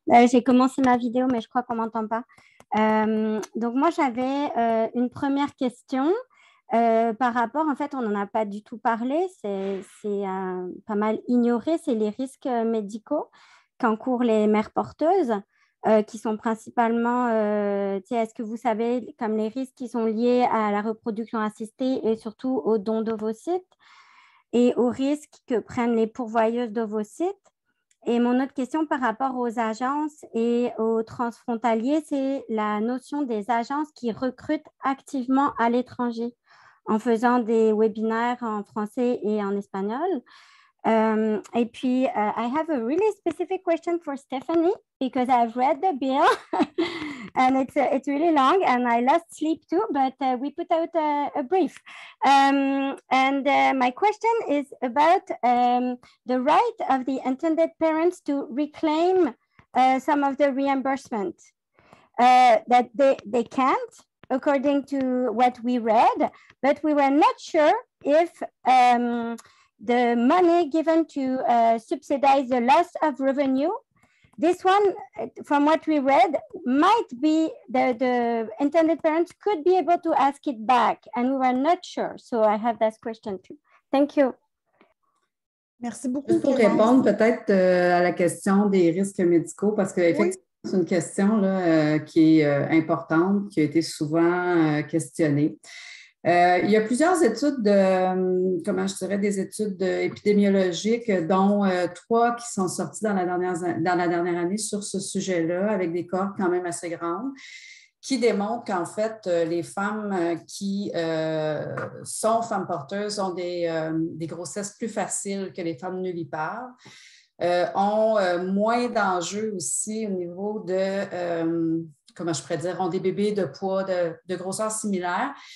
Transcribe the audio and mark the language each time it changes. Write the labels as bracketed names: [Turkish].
[French] J'ai commencé ma vidéo, mais je crois qu'on m'entend pas. Donc, moi, j'avais une première question par rapport, en fait, on n'en a pas du tout parlé, c'est pas mal ignoré, c'est les risques médicaux qu'encourent les mères porteuses, qui sont principalement, est-ce que vous savez, comme les risques qui sont liés à la reproduction assistée et surtout au don d'ovocytes et aux risques que prennent les pourvoyeuses d'ovocytes? Et mon autre question par rapport aux agences et aux transfrontaliers, c'est la notion des agences qui recrutent activement à l'étranger. en faisant des webinaires en français et en espagnol. Et puis, [English] I have a really specific question for Stephanie because I've read the bill and it's really long and I lost sleep too, but we put out a brief. My question is about the right of the intended parents to reclaim some of the reimbursement that they can't, according to what we read, but we were not sure if the money given to subsidize the loss of revenue, this one, from what we read, might be the intended parents could be able to ask it back, and we were not sure. So I have that question too. Thank you. [French] Merci beaucoup. Juste pour répondre peut-être à la question des risques médicaux, parce que effectivement, oui, c'est une question là, qui est importante, qui a été souvent questionnée. Il y a plusieurs études, des études épidémiologiques, dont trois qui sont sorties dans la dernière année sur ce sujet-là, avec des cohortes quand même assez grandes, qui démontrent qu'en fait, les femmes qui sont femmes porteuses ont des grossesses plus faciles que les femmes nullipares, ont moins d'enjeux aussi au niveau de, ont des bébés de poids de grosseur similaire.